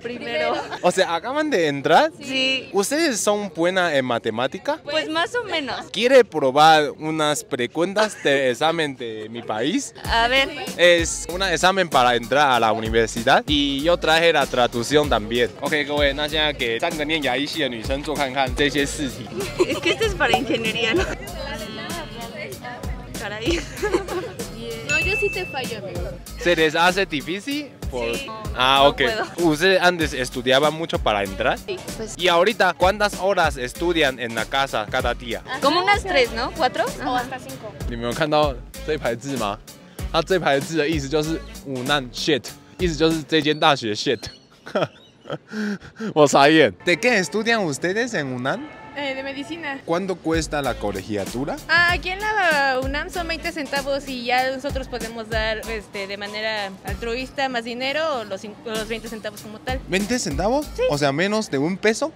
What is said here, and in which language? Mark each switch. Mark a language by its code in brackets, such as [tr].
[es] Primero. O sea, ¿acaban de entrar? Sí. ¿Ustedes son buenas en matemática? Pues más o menos. ¿Quiere probar unas preguntas de examen de mi país? A ver. Es un examen para entrar a la universidad y yo traje la traducción también. [zh] Ok, 各位，那现在给三个念牙医系的女生做看看这些试题。 [es] Es que esto es para ingeniería, ¿no? Caray. No, yo sí te fallo, amigo. ¿Se les hace difícil? Por... Sí. Ah, no, ok. Puedo. ¿Usted antes estudiaba mucho para entrar? Sí, pues. ¿Y ahorita cuántas horas estudian en la casa cada día? Como unas 3, ¿no? ¿4? O hasta 5. ¿Ni me han mirado este par de letras? Ah, este par de letras [zh] 的意思就是 [es] Unan shit. [zh] 意思就是这间大学 shit. 我傻眼. [es] ¿De qué estudian ustedes en Unan? De medicina. ¿Cuánto cuesta la colegiatura? Aquí en la UNAM son 20 centavos y ya nosotros podemos dar de manera altruista más dinero o los 20 centavos como tal. ¿20 centavos? Sí. O sea, menos de un peso.